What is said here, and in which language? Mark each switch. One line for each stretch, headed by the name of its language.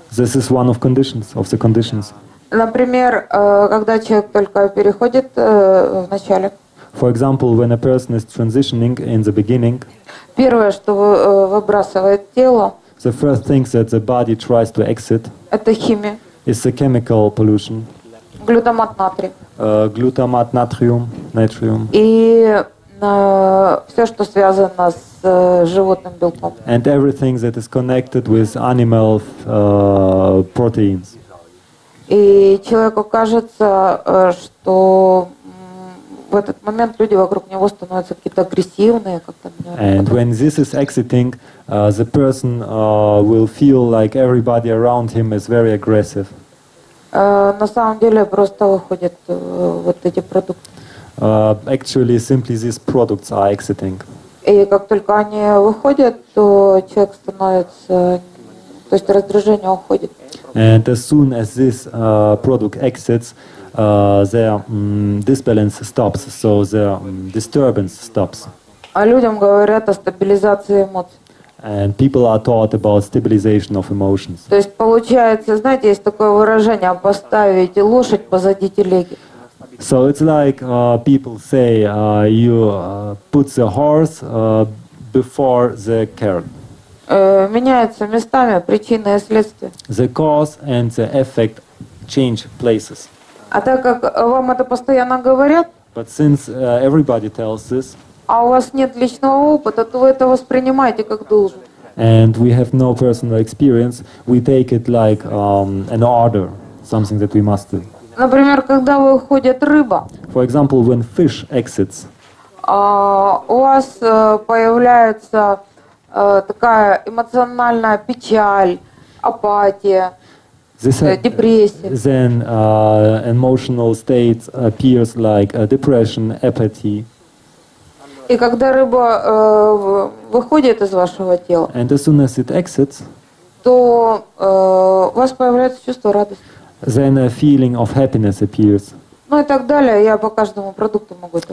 English: This is one of conditions, of the conditions.
Russian: Например, когда человек только переходит в начале.
English: For example, when a person is transitioning in the beginning.
Russian: Первое, что выбрасывает тело.
English: The first thing that the body tries to exit.
Russian: Это химия.
English: Is the chemical pollution.
Russian: Глутамат натрия. Глутамат натриум, натриум. И все, что связано с животным белком.
English: And everything that is connected with animal proteins.
Russian: И человеку кажется, что в этот момент люди вокруг него становятся какие-то агрессивные, как-то.
English: And when this is exiting, the person will feel like everybody around him is very aggressive.
Russian: На самом деле просто выходят вот эти продукты.
English: Actually, simply these products are exiting.
Russian: И как только они выходят, то человек становится, то есть раздражение уходит.
English: And as soon as this product exits, the disbalance stops, so the disturbance stops.
Russian: А людям говорят о стабилизации эмоций.
English: And people are taught about stabilization of emotions.
Russian: То есть получается, знаете, есть такое выражение: поставить лошадь позади телеги.
English: So it's like people say you put the horse before the carrot.
Russian: Меняются местами причины и следствия.
English: The cause and the effect change places.
Russian: А так как вам это постоянно говорят,
English: but since everybody tells this,
Russian: а у вас нет личного опыта, то вы это воспринимаете как должен.
English: And we have no personal experience, we take it like an order, something that we must do.
Russian: Например, когда выходит рыба.
English: For example, when fish exits.
Russian: У вас появляется такая эмоциональная печаль, апатия, депрессия.
English: Then emotional state appears like a depression, apathy.
Russian: И когда рыба выходит из вашего тела.
English: And as soon as it exits.
Russian: То у вас появляется чувство радости.
English: Then a feeling of happiness appears.
Russian: Ну и так далее, я по каждому продукту могу это.